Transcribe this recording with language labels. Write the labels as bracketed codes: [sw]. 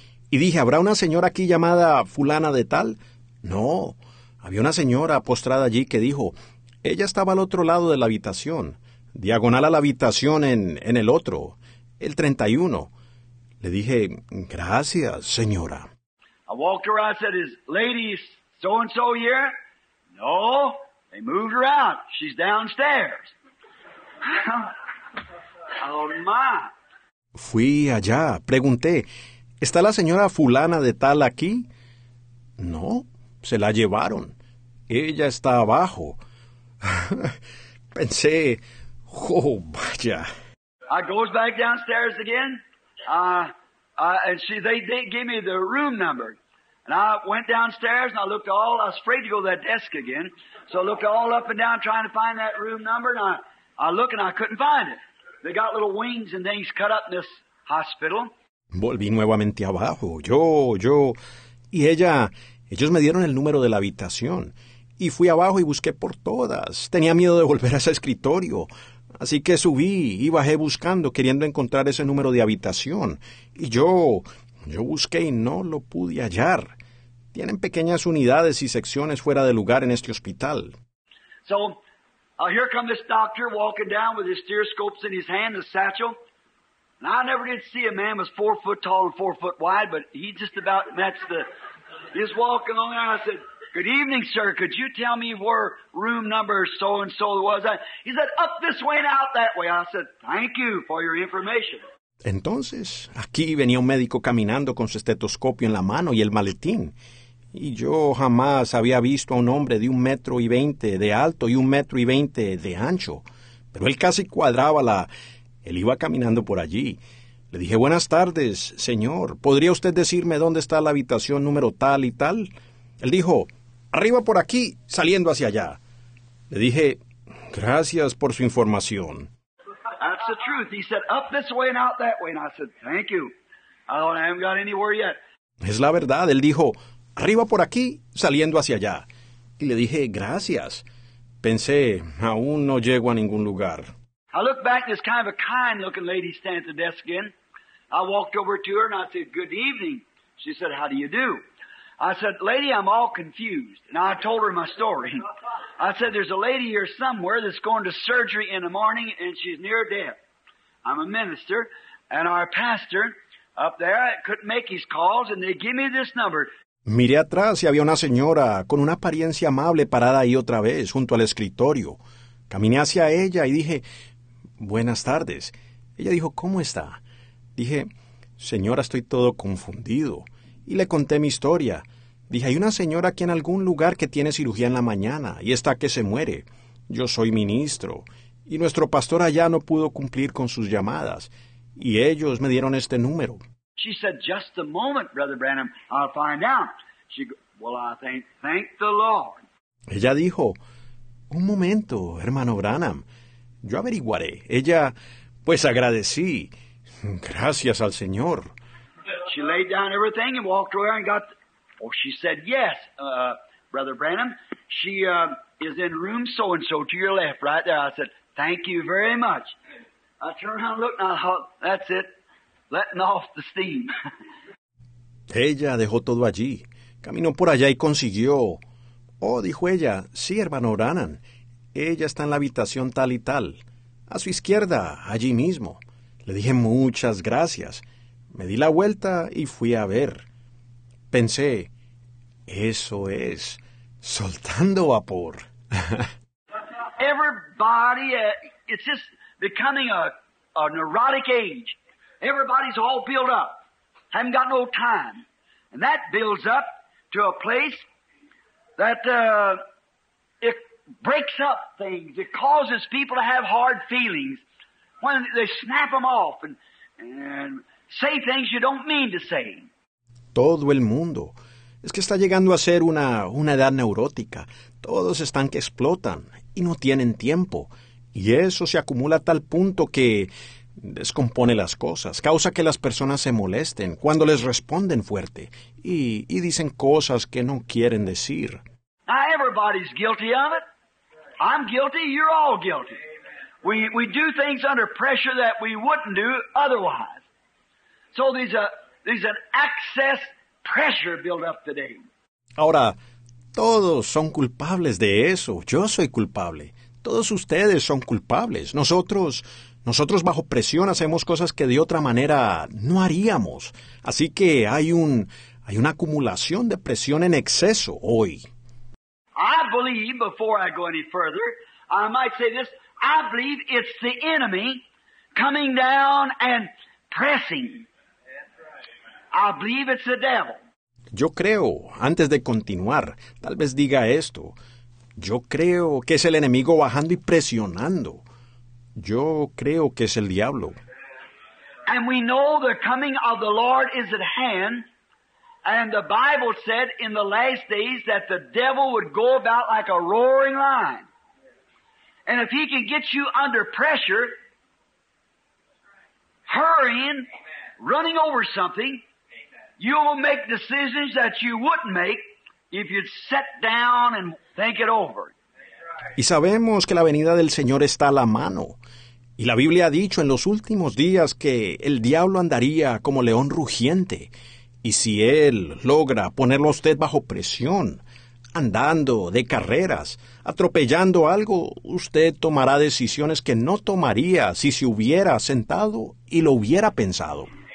[es] Y dije, ¿habrá una señora aquí llamada fulana de tal? No. Había una señora postrada allí que dijo, ella estaba al otro lado de la habitación, diagonal a la habitación en el otro, el 31. Le dije, gracias, señora. [en] I walked around, I said, is ladies so-and-so here? No. They moved her out. She's downstairs. Oh, my. [es] Fui allá, pregunté, ¿está la señora fulana de tal aquí? No, se la llevaron. Ella está abajo. Pensé, oh, vaya. [en] I goes back downstairs again. And they gave me the room number. And I went downstairs and I looked all, I was afraid to go to that desk again. So I looked all up and down trying to find that room number. And I looked and I couldn't find it. They got little wings and things cut up in this hospital. [es] Volví nuevamente abajo, yo, y ella, ellos me dieron el número de la habitación, y fui abajo y busqué por todas, tenía miedo de volver a ese escritorio, así que subí y bajé buscando, queriendo encontrar ese número de habitación, y yo busqué y no lo pude hallar. Tienen pequeñas unidades y secciones fuera de lugar en este hospital. [en] So, here comes this doctor walking down with his stethoscopes in his hand, his satchel. Now, I never did see a man was 4 foot tall and 4 foot wide, but he just about matched the... He's walking along there, and I said, Good evening, sir. Could you tell me where room number so and so was at? He said, up this way and out that way. I said, thank you for your information. [es] Entonces, aquí venía un médico caminando con su estetoscopio en la mano y el maletín. Y yo jamás había visto a un hombre de 1.20 m de alto y 1.20 m de ancho. Pero él casi cuadraba la... Él iba caminando por allí. Le dije, buenas tardes, señor. ¿Podría usted decirme dónde está la habitación número tal y tal? Él dijo, arriba por aquí, saliendo hacia allá. Le dije, gracias por su información. [en] That's the truth. He said, up this way and out that way. And I said, thank you. I don't have got anywhere yet. [es] Es la verdad. Él dijo, arriba por aquí, saliendo hacia allá. Y le dije, gracias. Pensé, aún no llego a ningún lugar. [en] I looked back, this kind of a kind looking lady stands at the desk again. I walked over to her and I said, good evening. She said, how do you do? I said, lady, I'm all confused. And I told her my story. I said, there's a lady here somewhere that's going to surgery in the morning and she's near death. I'm a minister and our pastor up there couldn't make his calls and they give me this number. [es] Miré atrás y había una señora con una apariencia amable parada ahí otra vez junto al escritorio. Caminé hacia ella y dije, buenas tardes. Ella dijo, ¿cómo está? Dije, señora, estoy todo confundido. Y le conté mi historia. Dije, hay una señora aquí en algún lugar que tiene cirugía en la mañana y está que se muere. Yo soy ministro y nuestro pastor allá no pudo cumplir con sus llamadas y ellos me dieron este número. [en] She said, just a moment, Brother Branham, I'll find out. She go, well, I thank the Lord. [es] Ella dijo, un momento, hermano Branham. Yo averiguaré. Ella, pues agradecí. Gracias al Señor. [en] She laid down everything and walked over and got... Oh, she said, yes, Brother Branham. She is in room so-and-so to your left right there. I said, thank you very much. I turned around and looked and I thought, that's it. Letting off the steam. [es] Ella dejó todo allí. Caminó por allá y consiguió... Oh, dijo ella, sí, hermano Branham. Ella está en la habitación tal y tal. A su izquierda, allí mismo. Le dije muchas gracias. Me di la vuelta y fui a ver. Pensé, eso es, soltando vapor. [en] Everybody, it's just becoming a neurotic age. Everybody's all built up. Haven't got no time. And that builds up to a place that it breaks up things. It causes people to have hard feelings when they snap them off and say things you don't mean to say. [es] Todo el mundo. Es que está llegando a ser una edad neurótica. Todos están que explotan y no tienen tiempo. Y eso se acumula a tal punto que descompone las cosas. Causa que las personas se molesten cuando les responden fuerte y dicen cosas que no quieren decir. [en] Now everybody's guilty of it. I'm guilty, you're all guilty. We do things under pressure that we wouldn't do otherwise. So there's an excess pressure built up today. [es] Ahora, todos son culpables de eso. Yo soy culpable. Todos ustedes son culpables. Nosotros bajo presión hacemos cosas que de otra manera no haríamos. Así que hay una acumulación de presión en exceso hoy. [en] I believe, before I go any further, I might say this. I believe it's the enemy coming down and pressing. I believe it's the devil. [es] Yo creo, antes de continuar, tal vez diga esto. Yo creo que es el enemigo bajando y presionando. Yo creo que es el diablo. [en] And we know the coming of the Lord is at hand. And the Bible said in the last days that the devil would go about like a roaring lion. And if he can get you under pressure, hurrying, running over something, you will make decisions that you wouldn't make if you'd sit down and think it over. [es] Y sabemos que la venida del Señor está a la mano. Y la Biblia ha dicho en los últimos días que el diablo andaría como león rugiente. Y si él logra ponerlo a usted bajo presión, andando de carreras, atropellando algo, usted tomará decisiones que no tomaría si se hubiera sentado y lo hubiera pensado.